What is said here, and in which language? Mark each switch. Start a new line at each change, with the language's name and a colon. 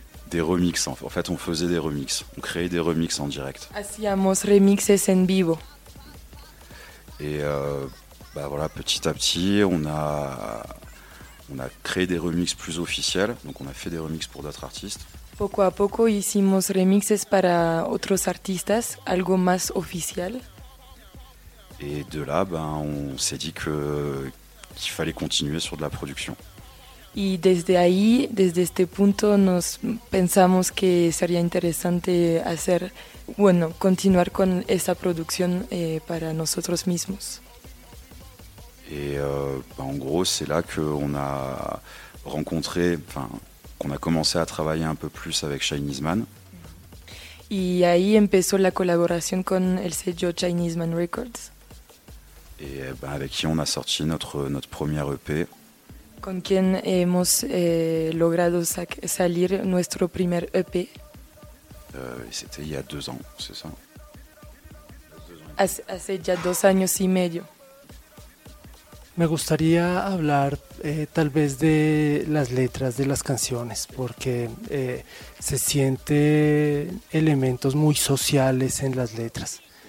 French: des remixes, en fait on faisait des remixes, on créait des remixes en direct,
Spanish: hacíamos remixes en vivo.
French: Et bah voilà, petit à petit on a créé des remixes plus officiels, donc on a fait des remixes pour d'autres artistes.
Spanish: Poco a poco hicimos remixes para otros artistas, algo más oficial.
French: Et de là, ben, on s'est dit qu'il fallait continuer sur de la production.
Spanish: Y desde ahí, desde este punto, nos pensamos que sería interesante hacer, bueno, continuar con esa producción para nosotros mismos.
French: Et en gros, c'est là qu'on a rencontré, enfin, qu'on a commencé à travailler un peu plus avec Chinese Man.
Spanish: Y ahí empezó la colaboración con el sello Chinese Man Records.
French: Et ben, avec qui on a sorti notre premier EP.
Spanish: Con quien hemos logrado salir nuestro primer EP.
French: C'était il y a 2 ans, c'est ça?
Spanish: Hace ya 2 años y medio. Me gustaría hablar tal vez de las letras de las canciones, porque se siente elementos muy sociales en las letras.